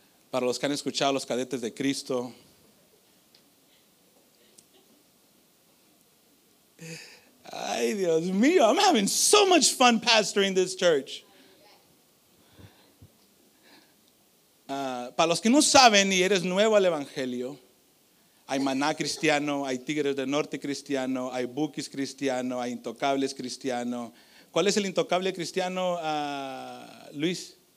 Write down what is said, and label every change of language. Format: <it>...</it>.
<es>Para los que han escuchado los cadetes de Cristo. Ay, Dios mío,</es> <en>I'm having so much fun pastoring this church.</en> <es>Para los que no saben y eres nuevo al Evangelio, hay Maná cristiano, hay Tigres del Norte cristiano, hay Bukis cristiano, hay Intocables cristiano. ¿Cuál es el Intocable cristiano, Luis?</es>